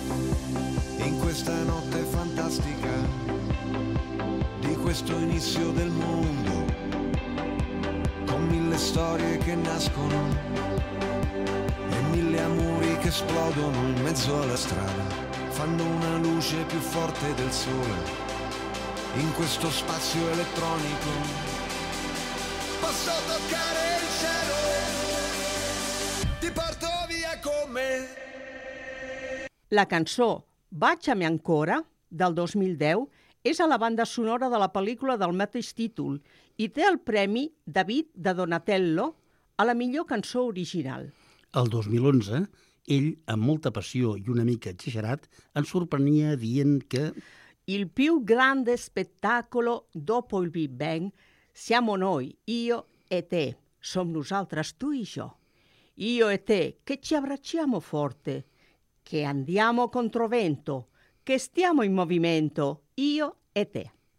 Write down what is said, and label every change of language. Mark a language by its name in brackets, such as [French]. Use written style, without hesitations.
[Italian] In questa notte fantastica di questo inizio del mondo, con mille storie che nascono e mille amori che esplodono in mezzo alla strada, fanno una luce più forte del sole. In questo spazio elettronico posso toccare il cielo, ti porto via con me. [Catalan] La cançó Bàchame Ancora, del 2010, és a la banda sonora de la pel·lícula del mateix títol i té el Premi David de Donatello a la millor cançó original. El 2011, ell, amb molta passió i una mica exagerat, ens sorprenia dient que... [Italian] Il più grande spettacolo dopo il Big Bang siamo noi, io e te. [Catalan] Som nosaltres, tu i jo. [Italian] Io e te, che ci abbracciamo forte, che andiamo controvento, che stiamo in movimento, io e te.